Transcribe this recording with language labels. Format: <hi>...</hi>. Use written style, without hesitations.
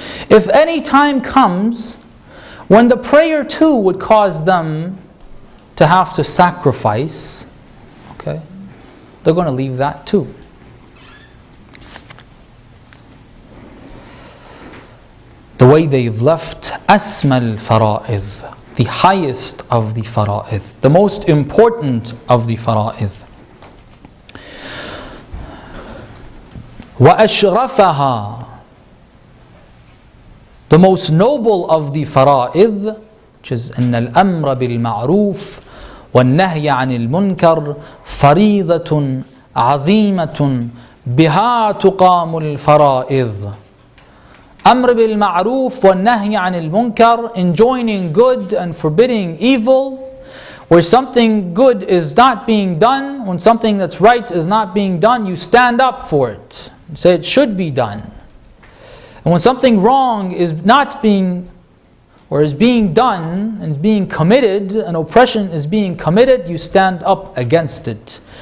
<en>If any time comes when the prayer too would cause them to have to sacrifice, okay, they're going to leave that too. The way they've left</en> <ar>أَسْمَى الْفَرَائِضِ,</ar> <en>the highest of the fara'id, the most important of the fara'id.</en> <ar>وَأَشْرَفَهَا,</ar> <en>the most noble of the fara'id,</en> <ar>which is إِنَّ الْأَمْرَ بِالْمَعْرُوفِ وَالنَّهْيَ عَنِ الْمُنْكَرِ فَرِيضَةٌ عَظِيمَةٌ بِهَا تُقَامُ الْفَرَائِضِ.</ar> <en>Amr bil ma'roof wa nahy an al munkar, enjoining good and forbidding evil, where something good is not being done, when something that's right is not being done, you stand up for it, say it should be done. And when something wrong is not being, or is being done and being committed, and oppression is being committed, you stand up against it.</en>